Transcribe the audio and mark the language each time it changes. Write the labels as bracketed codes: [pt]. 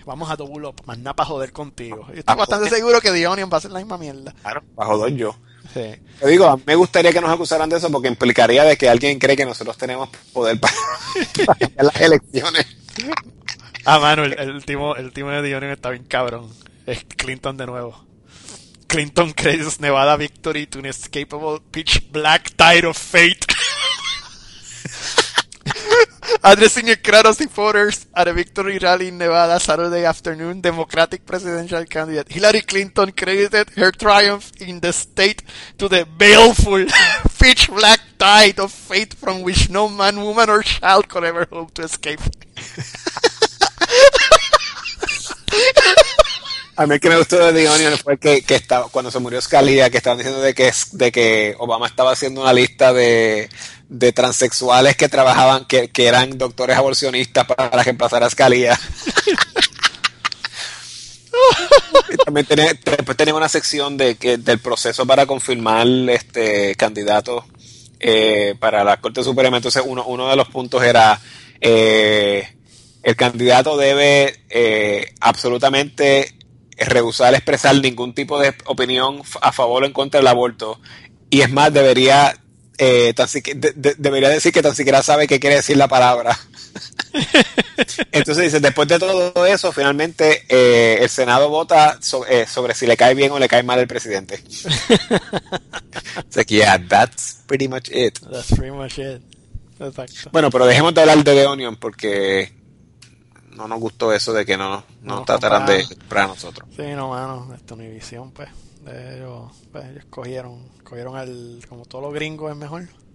[es] Vamos a double up, más nada para joder contigo. Estoy bastante seguro que The Onion va a hacer la misma mierda. Claro, para joder yo. Sí. Te digo, a mí me gustaría que nos acusaran de eso porque implicaría de que alguien cree que nosotros tenemos poder para cambiar las elecciones. Ah, mano, el último de The Onion está bien cabrón. Es Clinton de nuevo. [en] Clinton credits Nevada victory to an inescapable pitch black tide of fate. Addressing a crowd of supporters at a victory rally in Nevada Saturday afternoon, Democratic presidential candidate Hillary Clinton credited her triumph in the state to the baleful, pitch black tide of fate from which no man, woman, or child could ever hope to escape. [es] A mí el que me gustó de The Onion fue que estaba, cuando se murió Scalia, que estaban diciendo de que Obama estaba haciendo una lista de transexuales que trabajaban, que eran doctores abolicionistas para reemplazar a Scalia. También después tenía una sección del proceso para confirmar candidatos para la Corte Suprema. Entonces uno de los puntos era el candidato debe absolutamente rehusar expresar ningún tipo de opinión a favor o en contra del aborto, y es más, debería debería decir que tan siquiera sabe qué quiere decir la palabra. Entonces dice, después de todo eso, finalmente el Senado vota sobre si le cae bien o le cae mal el presidente. [en] So, yeah, that's pretty much it. That's pretty much it. Exacto. [es] Bueno, pero dejemos de hablar de The Onion, porque no nos gustó eso de que no trataran de comprar a nosotros. Sí, no, mano, esta Univisión, pues. Ellos cogieron al, como todos los gringos es mejor.